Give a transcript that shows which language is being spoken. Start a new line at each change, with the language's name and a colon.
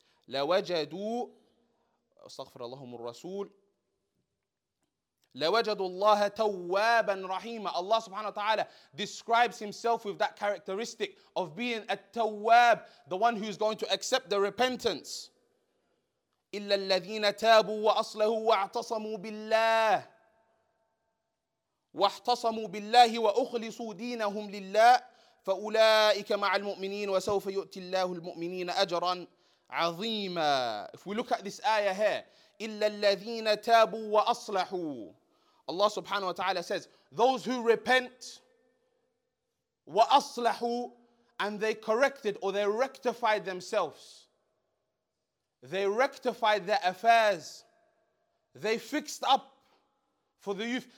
Arabic: لَوَجَدُوا أَسْتَغْفَرَ لَهُمُ الرَّسُولُ لَوَجَدُوا اللَّهَ تَوَّابًا رَحِيمًا.
English: Allah subhanahu wa ta'ala describes himself with that characteristic of being a tawwab, the one who is going to accept the repentance.
Arabic: إلا الذين تابوا وأصلحوا واعتصموا بالله واحتصموا بالله وأخلصوا دينهم لله فأولئك مع المؤمنين وسوف يؤتي الله المؤمنين أجرا عظيما.
English: If we look at this ayah here,
Arabic: إلا الذين تابوا وأصلحوا,
English: Allah subhanahu wa ta'ala says, those who repent
Arabic: وأصلحوا,
English: and they corrected or they rectified themselves. They rectified their affairs. They fixed up for the youth.